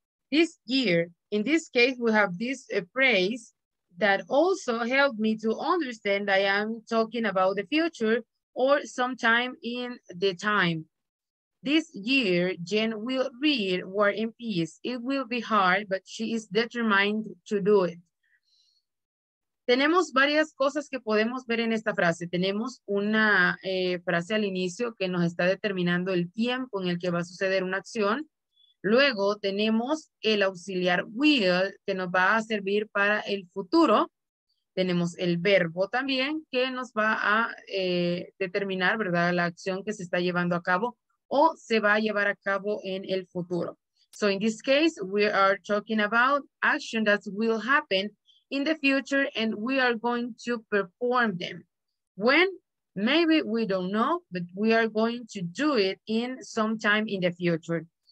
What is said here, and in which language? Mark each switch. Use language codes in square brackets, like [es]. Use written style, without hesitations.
[en] This year, in this case, we have this phrase that also helped me to understand that I am talking about the future or sometime in the time. This year, Jen will read War and Peace. It will be hard, but she is determined to do it. [es] Tenemos varias cosas que podemos ver en esta frase. Tenemos una frase al inicio que nos está determinando el tiempo en el que va a suceder una acción. Luego tenemos el auxiliar will que nos va a servir para el futuro. Tenemos el verbo también que nos va a determinar, ¿verdad?, la acción que se está llevando a cabo o se va a llevar a cabo en el futuro. [en] So in this case, we are talking about action that will happen in the future, and we are going to perform them. When? Maybe we don't know, but we are going to do it in sometime in the future.